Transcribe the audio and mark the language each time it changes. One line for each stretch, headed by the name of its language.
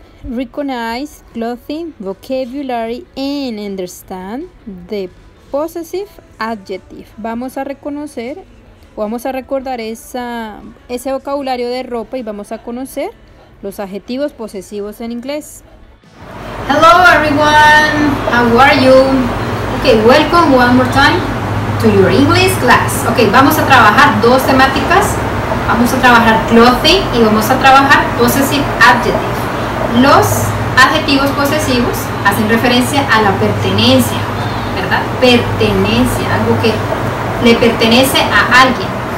English: Recognize clothing vocabulary and understand the possessive adjective.
Spanish: Vamos a reconocer o vamos a recordar ese vocabulario de ropa y vamos a conocer los adjetivos posesivos en inglés.
English: Hello everyone, how are you? Okay, welcome one more time to your English class.
Spanish: Okay, vamos a trabajar dos temáticas. Vamos a trabajar clothing y vamos a trabajar possessive adjective. Los adjetivos posesivos hacen referencia a la pertenencia, ¿verdad? Pertenencia, algo que le pertenece a alguien.